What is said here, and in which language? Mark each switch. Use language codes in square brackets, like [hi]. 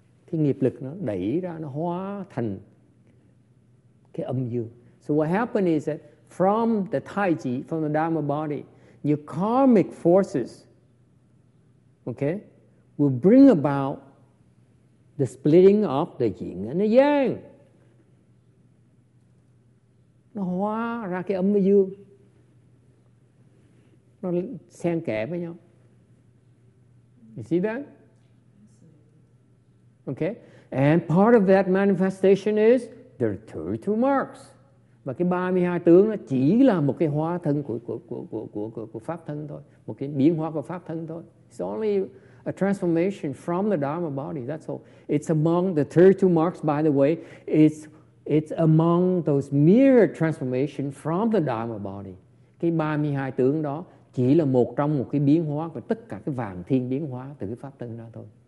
[vi] Cái nghiệp lực nó đẩy ra, nó hóa thành cái âm dương. [en] So what happened is that from the Tai Chi, from the Dharma body, your karmic forces, okay, will bring about the splitting of the yin and the yang. [vi] Nó hóa ra cái âm dương. Nó xen kẽ với nhau. [en] You see that? Okay. And part of that manifestation is there are 32 marks. [vi] Và cái 32 tướng nó chỉ là một cái hóa thân của pháp thân thôi, một cái biến hóa của pháp thân thôi. [en] It's only a transformation from the Dharma body, that's all. It's among the 32 marks, by the way, it's among those mirror transformation from the Dharma body. [vi] Cái 32 tướng đó chỉ là một trong một cái biến hóa của tất cả cái vàng thiên biến hóa từ cái pháp thân ra thôi.